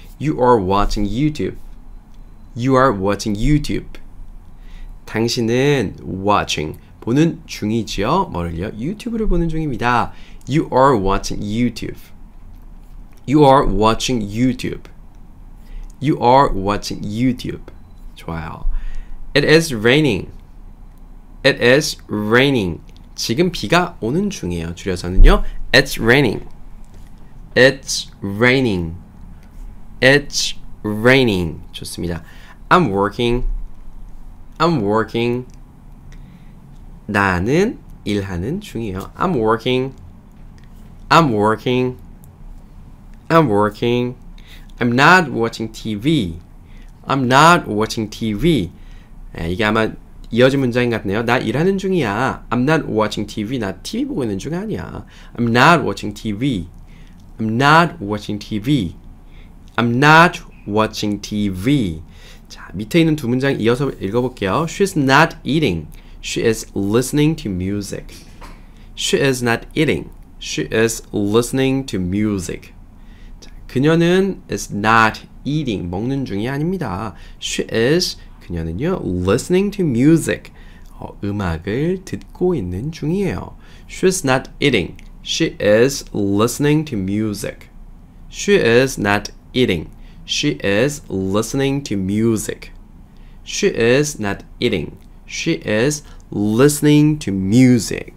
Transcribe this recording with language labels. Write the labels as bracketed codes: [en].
[en] You are watching YouTube. You are watching YouTube. [ko] 당신은 watching, 보는 중이지요. 뭐를요? YouTube를 보는 중입니다. [en] You are watching YouTube. You are watching YouTube. You are watching YouTube. [ko] 좋아요. [en] It is raining. It is raining. [ko] 지금 비가 오는 중이에요. 줄여서는요. [en] It's raining. It's raining. It's raining. [ko] 좋습니다. [en] I'm working. I'm working. [ko] 나는 일하는 중이에요. [en] I'm working. I'm working. I'm working. I'm not watching TV. I'm not watching TV. [ko] 이게 아마 이어진 문장인 것 같네요. 나 일하는 중이야. [en] I'm not watching TV. [ko] 나 TV 보고 있는 중 아니야. [en] I'm not watching TV. I'm not watching TV. I'm not watching TV. [ko] 자, 밑에 있는 두 문장 이어서 읽어볼게요. [en] She's not eating. She is listening to music. She is not eating. She is listening to music. [ko] 자, 그녀는 [en] is not eating. [ko] 먹는 중이 아닙니다. [en] She is, [ko] 그녀는요, [en] listening to music. [ko] 음악을 듣고 있는 중이에요. [en] She's not eating. She is listening to music. She is not eating. She is listening to music. She is not eating. She is listening to music.